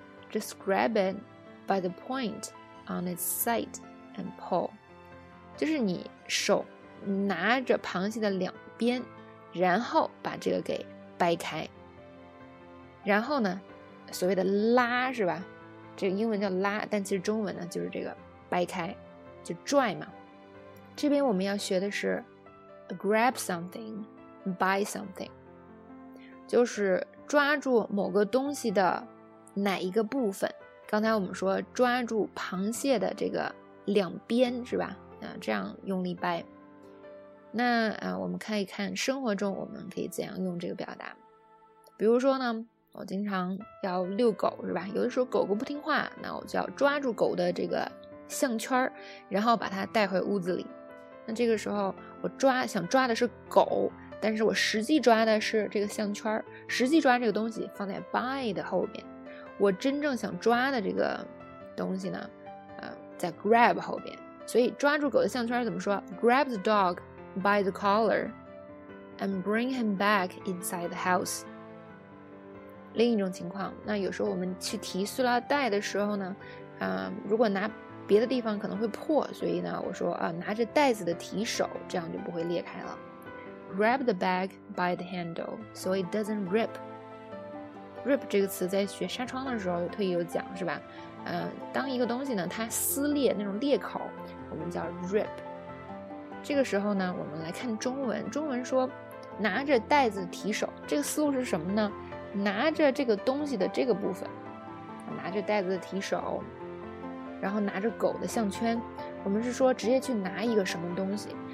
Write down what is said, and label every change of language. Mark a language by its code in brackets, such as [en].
[en] Just grab it by the point on its side and pull. [zh] 就是你手拿着螃蟹的两边，然后把这个给掰开。然后呢，所谓的拉是吧？这个英文叫拉，但其实中文呢就是这个。掰开就拽嘛。这边我们要学的是 [en] grab something by something， [zh] 就是抓住某个东西的哪一个部分。刚才我们说抓住螃蟹的这个两边是吧，这样用力掰。那我们可以看生活中我们可以怎样用这个表达。比如说呢，我经常要遛狗是吧，有的时候狗狗不听话，那我就要抓住狗的这个项圈，然后把它带回屋子里。那这个时候我想抓的是狗，但是我实际抓的是这个项圈，实际抓这个东西放在 by 的后面，我真正想抓的这个东西呢在 grab 后面。所以抓住狗的项圈怎么说 [en] Grab the dog by the collar and bring him back inside the house。 [zh] 另一种情况，那有时候我们去提塑料袋的时候呢，如果拿别的地方可能会破，所以呢，我说啊，拿着袋子的提手，这样就不会裂开了。 [en] Grab the bag by the handle, so it doesn't rip. [zh] Rip 这个词在学纱窗的时候特意有讲，是吧？当一个东西呢，它撕裂那种裂口，我们叫 rip。这个时候呢，我们来看中文，中文说拿着袋子提手，这个思路是什么呢？拿着这个东西的这个部分，拿着袋子的提手，然后拿着狗的项圈，我们是说直接去拿一个什么东西。